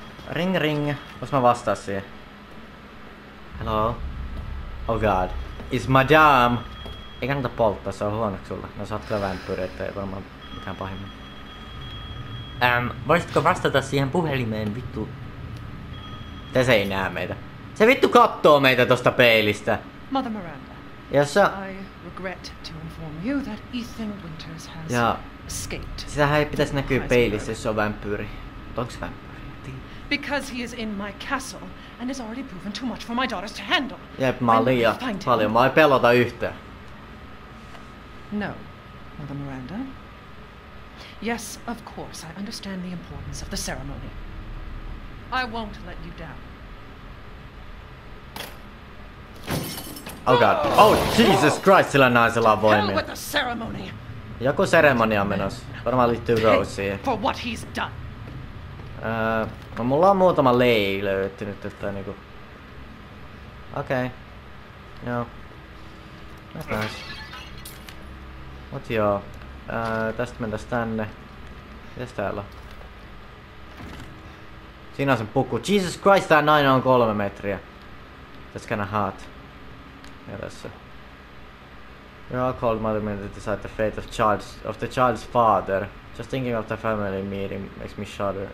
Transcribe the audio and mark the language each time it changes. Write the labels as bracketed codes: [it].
[en] Ring ring. [fi] Vois mä vastaa siihen. [en] Hello. Oh god. Is madame. [fi] Ei kannata polttaa, se on huonoks sulla. No sä oot kyllä vampyyri, ettei varmaan mitään pahimmin. Voisitko vastata siihen puhelimeen, vittu? Te se ei näe meitä. Se vittu kattoo meitä tosta peilistä. [en] Mother Miranda. [fi] Jossa... [en] I regret to inform you that Ethan Winters has ja escaped. [fi] Sitähän ei pitäisi näkyä peilissä, jos se on vampyyri. Mut onks vampyyri? [en] Because he is in my castle and has already proven too much for my daughters to handle. [fi] Jep, mä oon liian paljon. Mä ei pelota yhtään. [en] No, Mother Miranda. Yes, of course, I understand the importance of the ceremony. I won't let you down. Oh god. Oh Jesus Christ, [fi] sillä naisella on voimia. [en] What the ceremony? [fi] Joku seremonia on menossa. Varmaan liittyy Roseen. For what he's done. No mulla on muutama lei löytynyt, että niinku... Okei. Okay. Joo. Mäpäs. Mut joo. Tästä mentäis tänne. Mitäs täällä on? Siinä on sen puku. [en] Jesus Christ, [fi] tää nainen on 3 metriä. [en] That's kinda hot. [fi] Ja tässä. [en] You're all called mother meant to decide the fate of child's, of the child's father. Just thinking of the family meeting makes me shudder.